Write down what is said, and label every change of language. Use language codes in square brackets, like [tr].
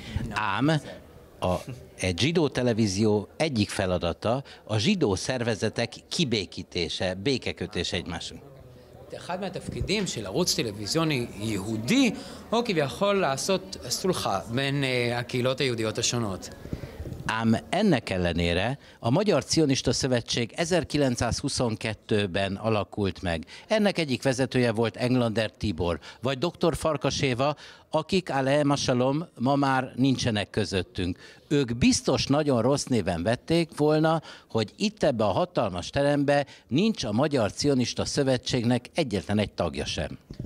[hu] Ám egy zsidó televízió egyik feladata a zsidó szervezetek kibékítése, békekötése egymásnak. [he] אחד מהתפקידים של ערוץ טלוויזיוני יהודי הוא כביכול לעשות סולחה בין הקהילות היהודיות השונות. [hu] Ám ennek ellenére a Magyar Zionista Szövetség 1922-ben alakult meg. Ennek egyik vezetője volt Englander Tibor, vagy dr. Farkas Éva, akik Alem Asalom ma már nincsenek közöttünk. Ők biztos nagyon rossz néven vették volna, hogy itt ebbe a hatalmas terembe nincs a Magyar Zionista Szövetségnek egyetlen egy tagja sem.